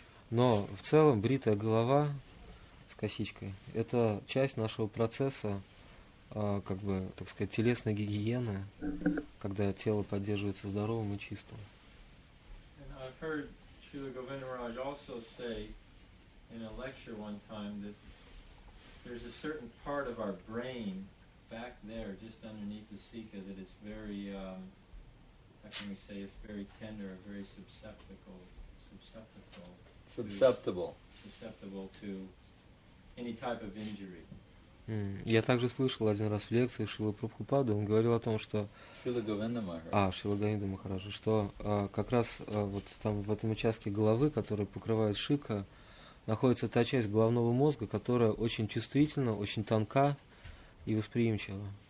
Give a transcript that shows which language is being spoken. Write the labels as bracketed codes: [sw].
[ru] Но в целом бритая голова косичкой. Это часть нашего процесса, как бы, так сказать, телесной гигиены, когда тело поддерживается здоровым и чистым. [en] And I've heard Srila Govinda Maharaj also say in a lecture one time that there's a certain part of our brain back there, just underneath the sikkha, that it's very, how can we say, it's very tender, very susceptible. Susceptible to any type of injury. [ru] Я также слышал один раз в лекции Шрилы Прабхупады, он говорил о том, что Шрила Говинда Махараджа, что как раз вот там в этом участке головы, который покрывает шика, находится та часть головного мозга, которая очень чувствительна, очень тонка и восприимчива.